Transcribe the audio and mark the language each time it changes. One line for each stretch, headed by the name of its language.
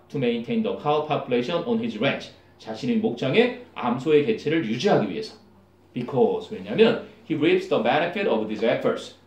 English: To maintain the cow population on his ranch.
Korean: 자신의 목장에 암소의 개체를 유지하기 위해서.
English: Because,
Korean: 왜냐면
English: he reaps the benefit of these efforts.